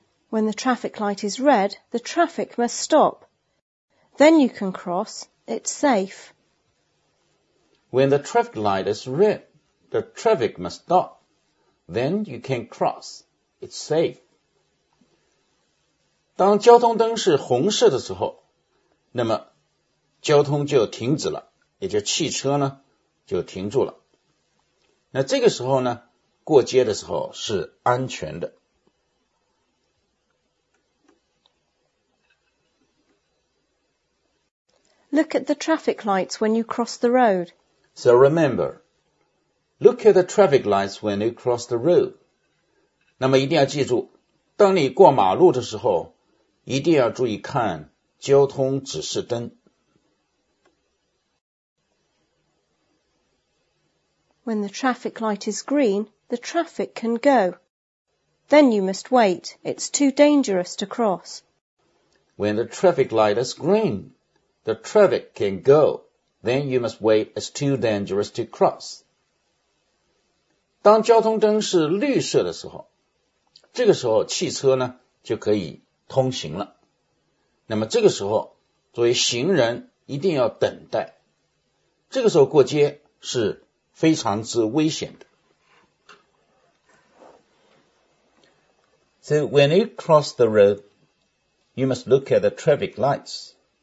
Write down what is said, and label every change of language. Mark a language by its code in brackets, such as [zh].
[en] When the traffic light is red, the traffic must stop. Then you can cross. It's safe. When the traffic light is red, the traffic must stop. Then you can cross. It's safe. [zh] 当交通灯是红色的时候，那么交通就停止了，也就汽车呢，就停住了。那这个时候呢，过街的时候是安全的。 [en] Look at the traffic lights when you cross the road. So remember, look at the traffic lights when you cross the road. [zh] 那么一定要记住，当你过马路的时候，一定要注意看交通指示灯。 [en] When the traffic light is green, the traffic can go. Then you must wait. It's too dangerous to cross. When the traffic light is green,The traffic can go. Then you must wait. It's too dangerous to cross. [zh] 当交通灯是绿色的时候，这个时候汽车呢就可以通行了。那么这个时候，作为行人一定要等待。这个时候过街是非常之危险的。 [en] So when you cross the road, you must look at the traffic lights.